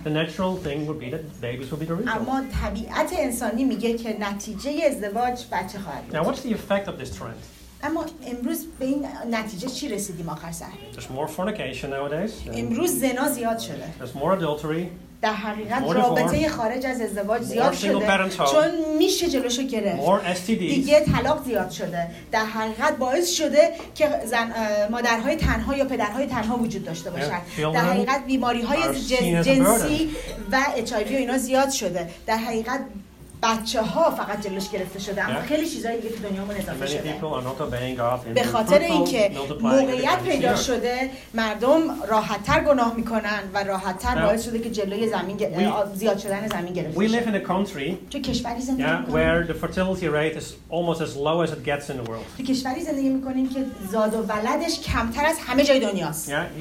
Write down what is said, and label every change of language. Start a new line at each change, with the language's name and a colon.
English: The natural thing would be that babies will be the result.
Persian: اما طبیعت انسانی میگه که نتیجه ازدواج بچه خواهد بود.
English: Now what's the effect of this trend?
Persian: اما امروز به این نتیجه چی رسیدیم آخر سر؟
English: There's more fornication nowadays.
Persian: امروز زنا زیاد شده.
English: There's more adultery.
Persian: در حقیقت رابطه خارج از ازدواج زیاد شده. چون میشه جلوشو گرفت.
English: More STDs.
Persian: دیگه طلاق زیاد شده. در حقیقت باعث شده که زن مادرهای تنها یا پدرهای تنها وجود داشته باشن. در حقیقت بیماری‌های جنسی و HIV و اینا زیاد شده. در حقیقت بچه‌ها فقط جلوش گرفته شده اما خیلی چیزای دیگه تو دنیامون اضافه شده. به خاطر اینکه موقعیت پیدا شده مردم راحت‌تر گناه می‌کنن و راحت‌تر باعث شده که جلوی زمین زیاد شدن زمین گرفته شده.
English: We live in a country where the fertility rate is almost as low as it gets in the world.
Persian: تو کشوری زندگی می‌کنیم که زاد و ولدش کمتر از همه جای دنیاست.